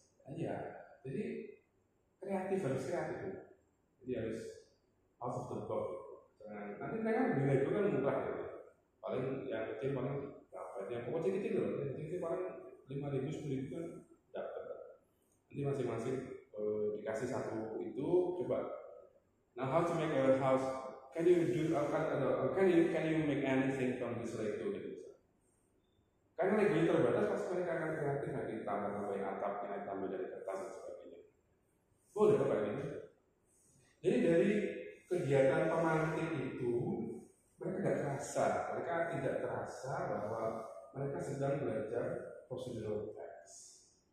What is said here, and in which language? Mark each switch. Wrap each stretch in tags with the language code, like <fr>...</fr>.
<id>Iya, jadi kreatif harus kreatif, jadi harus out of the box. Jangan nanti mereka beli Lego kan murah ya, paling yang kecil paling dapat, yang pokoknya kecil loh, yang kecil paling 5.000-10.000 kan dapat. Nanti masing-masing dikasih satu itu coba.</id> <en>Now how to make a house? Can you do can you make anything from this Lego gitu?</en> <id>Karena Lego itu terbatas, pasti mereka akan kreatif nanti tambah-tambahin atapnya, tambah dari kertas dan sebagainya. Boleh apa ini? Jadi dari kegiatan pemantik itu mereka tidak terasa bahwa mereka sedang belajar procedural tasks.</id>